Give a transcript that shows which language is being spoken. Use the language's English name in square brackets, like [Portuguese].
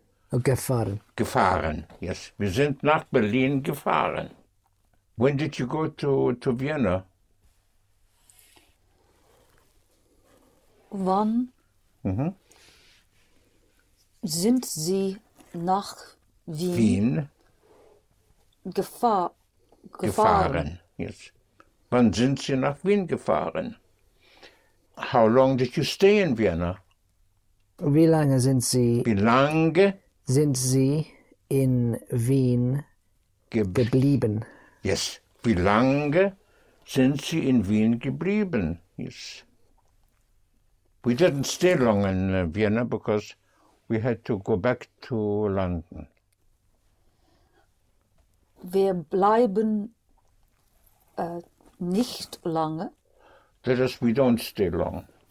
[German] wir sind nach Berlin gefahren. [English] Yes, [German] wir sind nach Berlin gefahren. [English] When did you go to Vienna? [German] Wann sind Sie nach Wien gefahren? [English] Yes. [German] Wann sind Sie nach Wien gefahren? [English] How long did you stay in Vienna? [German] Wie lange sind Sie in Wien geblieben? [English] Yes. [German] Wie lange sind Sie in Wien geblieben? [English] Yes. We didn't stay long in Vienna because we had to go back to London. [German] Wir bleiben nicht lange. [English] That is, we don't stay long.